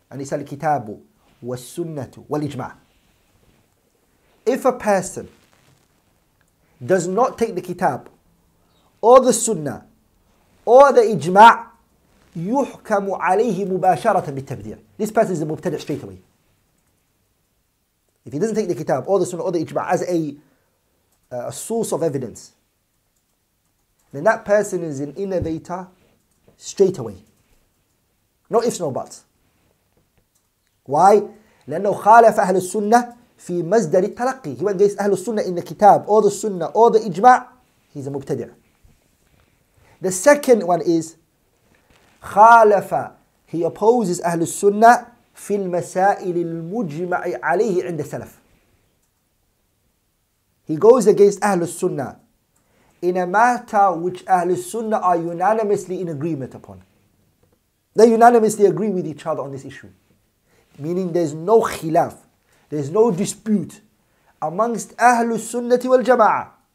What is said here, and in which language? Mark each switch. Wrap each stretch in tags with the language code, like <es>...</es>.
<en>And it's al-kitabu wa-sunnatu wal-ijma'. If a person does not take the kitab or the sunnah or the ijma',</en> <ar>يُحْكَمُ عَلَيْهِ مُبَاشَرَةً بِالتَّبْدِيعِ,</ar> <en>this person is a mubtadi' straight away. If he doesn't take the kitab or the sunnah or the ijma' as a source of evidence, then that person is an innovator straight away. No ifs, no buts. Why?</en> <ar>لأنه خالف أهل السنة في مزدر التلقي.</ar> <en>He went against أهل السنة in the kitab or the sunnah or the ijma. He's a مبتدع. The second one is</en> <ar>خالف,</ar> <en>he opposes</en> <ar>أهل السنة في المسائل المجمع عليه عند السلف.</ar> <en>He goes against أهل السنة in a matter which Ahlul Sunnah are unanimously in agreement upon. They unanimously agree with each other on this issue. Meaning there's no khilaf, there's no dispute amongst Ahlul Sunnah wal Jama'ah.</en>